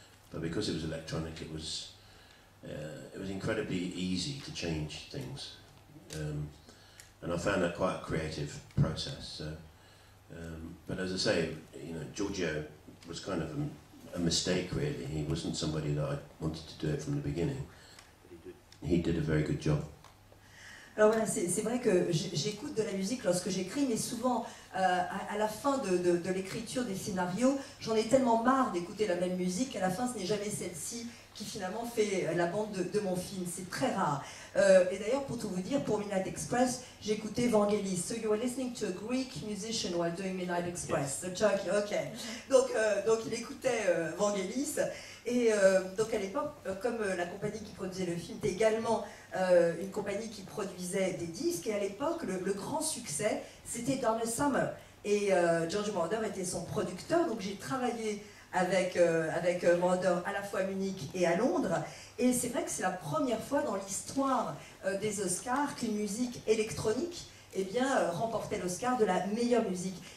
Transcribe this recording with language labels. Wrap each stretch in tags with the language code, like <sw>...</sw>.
<en>But because it was electronic, it was incredibly easy to change things, and I found that quite a creative process. So, but as I say, you know, Giorgio was kind of a mistake, really. He wasn't somebody that I wanted to do it from the beginning. He did a very good job.</en> <fr>Alors voilà, c'est vrai que j'écoute de la musique lorsque j'écris, mais souvent à la fin de l'écriture des scénarios, j'en ai tellement marre d'écouter la même musique, à la fin ce n'est jamais celle-ci qui finalement fait la bande de mon film, c'est très rare. Et d'ailleurs, pour tout vous dire, pour Midnight Express, j'ai écouté Vangelis.</fr> <en>So you were listening to a Greek musician while doing Midnight Express, the Turkey, okay.</en> <fr>Donc il écoutait Vangelis. Et donc à l'époque, comme la compagnie qui produisait le film était également une compagnie qui produisait des disques, et à l'époque, le grand succès, c'était Donna Summer. et George Mander était son producteur, donc j'ai travaillé avec Mander à la fois à Munich et à Londres, et c'est vrai que c'est la première fois dans l'histoire des Oscars qu'une musique électronique remportait l'Oscar de la meilleure musique.</fr>